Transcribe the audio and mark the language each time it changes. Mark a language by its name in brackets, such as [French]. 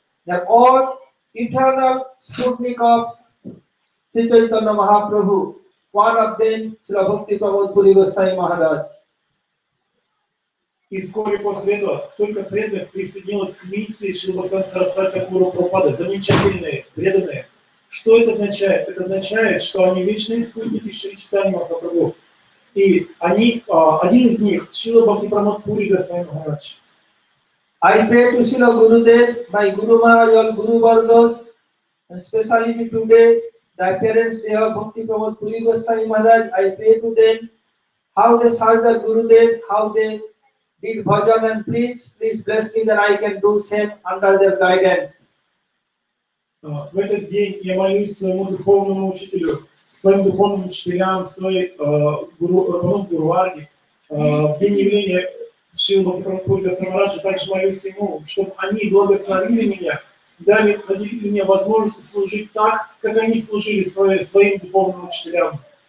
[English] They are all eternal scrutiny of Sri Chaitanya Mahaprabhu. One of them, Srila Bhakti Prabhupada Puri Goswami Maharaj. [Russian] И вскоре после этого столько преданных присоединилось к миссии Шрилы Бхактисиддханты Сарасвати Тхакура Прабхупады. Замечательные преданные. Что это означает? Это означает, что они вечные спутники Шри Чайтанья Махапрабху. И они, один из них, Шрила Бхакти Прамод Пури Госвами Махарадж. [English] I pray to Srila Gurudev, my Guru Maharaj, all Guru Vargas, especially today, the appearance of Bhakti Pramod Puri Goswami Maharaj, I pray to them how they serve the Gurudev, how they did bhajan and preach. Please bless me that I can do same under their guidance. [Russian] В этот день я молюсь своему духовному учителю, своим духовным учителям, своему Гуру Варги. В день явления Шрилы Бхакти Прамод Пури Госвами Махараджа также молюсь ему, чтобы они благословили меня, дали мне возможность служить так, как они служили своим духовным учителям.